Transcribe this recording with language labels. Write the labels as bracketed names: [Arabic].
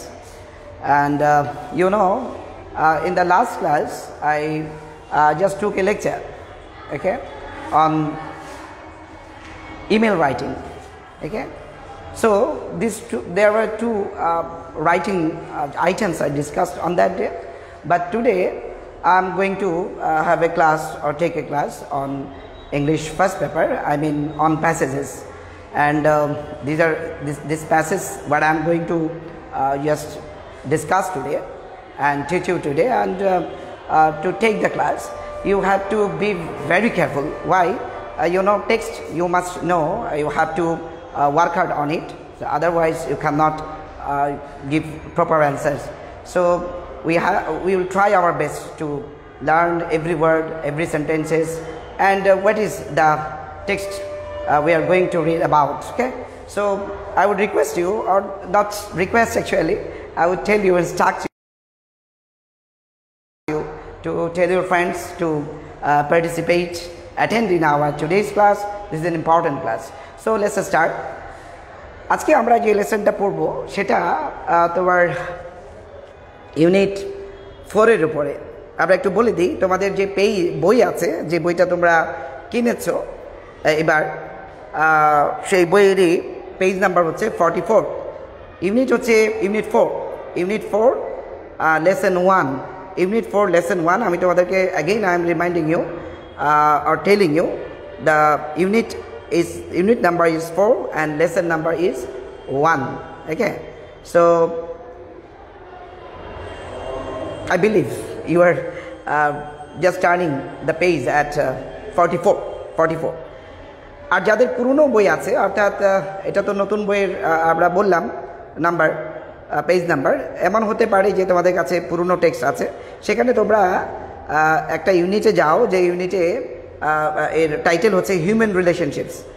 [English] And you know in the last class I just took a lecture, okay, on email writing, okay. So there were two writing items I discussed on that day, but today I'm going to have a class or take a class on English first paper, I mean on passages, and this passage what I'm going to just discuss today and teach you today, and to take the class you have to be very careful. Why? You know, text you must know, you have to work hard on it, so otherwise you cannot give proper answers. So we will try our best to learn every word, every sentences, and what is the text we are going to read about, okay? So I would request you, or not request actually, I would tell you, instruct you to tell your friends to participate, attend in our today's class. This is an important class. So let's start. [Bangla] আজকে আমরা যে লেসনটা পড়ব সেটা তোমার unit ফোরের উপরে। আমরা একটু বলে দিই, তোমাদের যে পেই বই আছে, যে বইটা তোমরা কিনেছ এবার, সেই বইয়েরই পেজ নাম্বার হচ্ছে 44, ইউনিট হচ্ছে unit four lesson one, unit four lesson one. আমি তোমাদেরকে [English] Again I am reminding you আর telling you the unit is unit number is 4 and lesson number is 1, okay? So I believe you are just turning the page at 44. [Bangla] আর যাদের পুরনো বই আছে, অর্থাৎ এটা তো নতুন বইয়ের আমরা বললাম নাম্বার, পেজ নাম্বার, এমন হতে পারে যে তোমাদের কাছে পুরনো টেক্সট আছে, সেখানে তোমরা একটা ইউনিটে যাও, যে ইউনিটে এর টাইটেল হচ্ছে হিউম্যান রিলেশনশিপস।